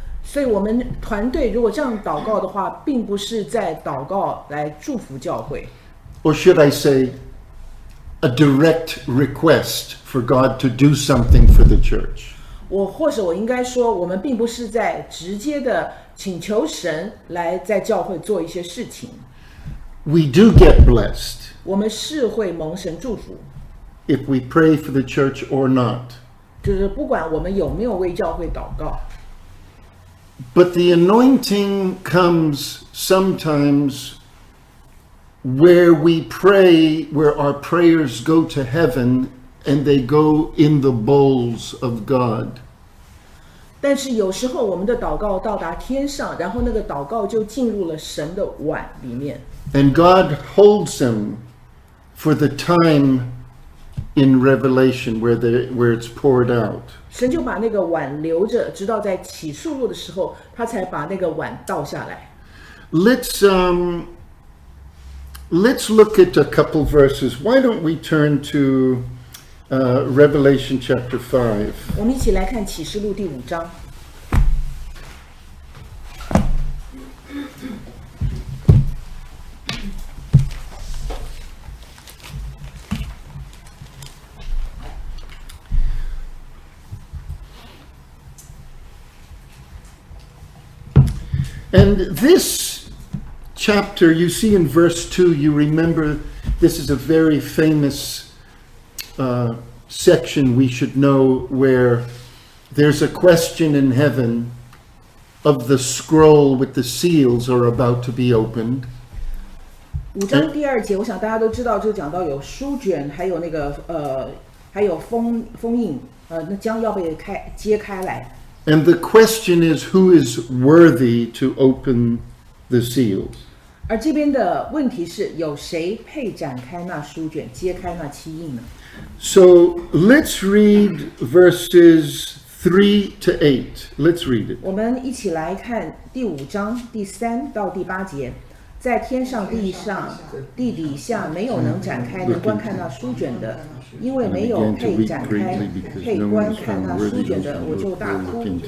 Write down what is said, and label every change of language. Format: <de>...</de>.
<zh>所以我们团队如果这样祷告的话，并不是在祷告来祝福教会。</zh> <en>Or should I say, a direct request for God to do something for the church.</en> <zh>或者我应该说，我们并不是在直接的请求神来在教会做一些事情。</zh> <en>We do get blessed.</en> <zh>我们是会蒙神祝福。</zh> <en>If we pray for the church or not.</en> <zh>就是不管我们有没有为教会祷告。</zh> <en>But the anointing comes sometimes where we pray, where our prayers go to heaven and they go in the bowls of God.</en> <zh>但是有时候我们的祷告到达天上，然后那个祷告就进入了神的碗里面。</zh> <en>And God holds them for the time in Revelation where it's poured out.</en> <zh>神就把那个碗留着，直到在启示录的时候，他才把那个碗倒下来。</zh> <en>Let's look at a couple verses. Why don't we turn to Revelation chapter 5?</en> <zh>我们一起来看启示录第五章。</zh> <en>And this chapter, you see in verse 2, you remember this is a very famous section we should know where there's a question in heaven of the scroll with the seals are about to be opened.</en> <zh>五章第二节，我想大家都知道，就讲到有书卷，还有那个还有封印，那将要被揭开来。</zh> <en>And the question is, who is worthy to open the seals?</en> <zh>而这边的问题是，有谁配展开那书卷，揭开那七印呢？</zh> <en>So let's read verses 3-8. Let's read it.</en> <zh>我们一起来看第五章第三到第八节。在天上、地上、地底下，没有能展开、能观看那书卷的，因为没有配展开、配观看那书卷的，我就大哭。</zh>